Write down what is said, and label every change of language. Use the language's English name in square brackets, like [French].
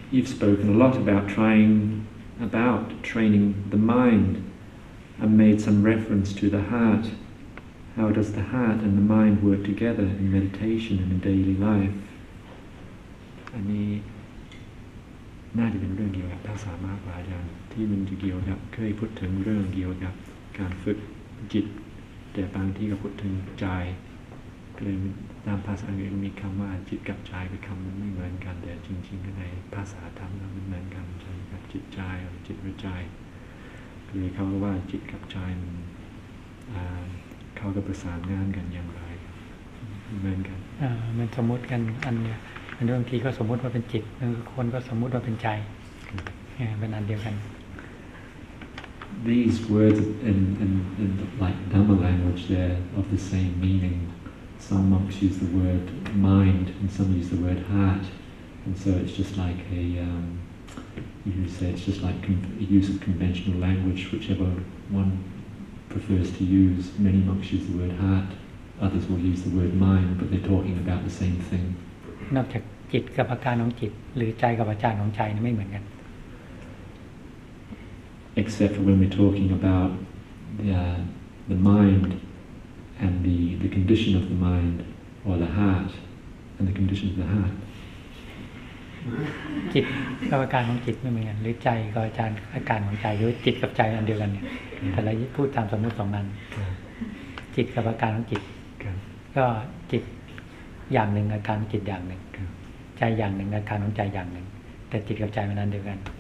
[English] You've spoken a lot about training the mind and made some reference to the heart. How does the heart and the mind work together in meditation and in daily life? [Thai] And นี่น่าจะเป็นเรื่องเกี่ยวกับภาษามากกว่าอาจารย์ที่มันจะเกี่ยวกับเคยพูดถึงเรื่องเกี่ยวกับการฝึกจิตแต่บางทีก็พูดถึงใจเลยตามภาษาอังกฤษมีคำว่าจิตกับใจเป็นคำเหมือนกันแต่จริงๆข้างในภาษาธรรมมันเหมือนกันใช่ไหมครับจิตใจหรือจิตหรือใจคือเขาว่าจิตกับใจมันเขากับประสานงานกันอย่างไรเหมือนกัน มันสมมติกันอันเนี้ยบางทีก็สมมติว่าเป็นจิตบางคนก็สมมติว่าเป็นใจเป็นอันเดียวกัน [English] These words in like Dhamma language they're of the same meaning. Some monks use the word mind and some use the word heart, and so it's just like a you could say it's just like use of conventional language, whichever one prefers to use. Many monks use the word heart, others will use the word mind, but they're talking about the same thing. [Thai] นอกจากจิตกับอาการของจิตหรือใจกับอาการของใจไม่เหมือนกัน [English] Except for when we're talking about the mind and the condition of the mind or the heart and the condition of the heart [Thai] จิตกับอาการของจิตไม่เหมือนกันหรือใจกับอาการของใจหรือจิตกับใจอันเดียวกันเนี่ยแต่ละพูดตามสมมติสองนั้นจิตกับอาการของจิตก็จิตอย่างหนึ่งอาการจิตอย่างหนึ่งใจอย่างหนึ่งอาการของใจอย่างหนึ่งแต่จิตกับใจมันนั้นเดียวกัน